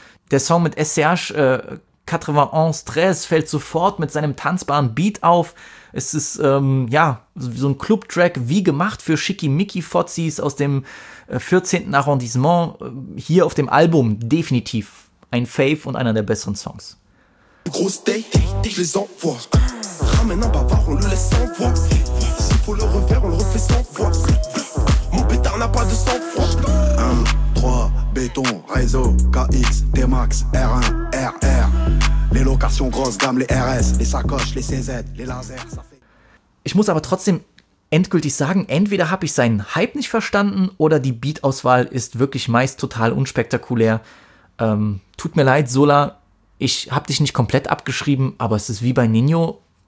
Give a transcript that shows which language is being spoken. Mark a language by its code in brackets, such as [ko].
[de] Der Song mit SCH 91-13 fällt sofort mit seinem tanzbaren Beat auf. Es ist, ja, so ein Club-Track, wie gemacht für Schickimicki-Fotzis aus dem 14. Arrondissement. Hier auf dem Album definitiv ein Fave und einer der besseren Songs. [fr] Gros Day, ich les envoie. Ramène un bavard, on le laisse sans voix. S'il faut le refaire, on le refait sans voix. N'a pas de sang froid. 1, 3, béton, réseau, KX, T-Max, R1, RR. Les locations grosses, gamme, les RS, les sacoches, les CZ, les lasers. [de] Ich muss aber trotzdem endgültig sagen, entweder habe ich seinen Hype nicht verstanden oder die Beat-Auswahl ist wirklich meist total unspektakulär. Tut mir leid, Zola, ich habe dich nicht komplett abgeschrieben, aber es ist wie bei Nino.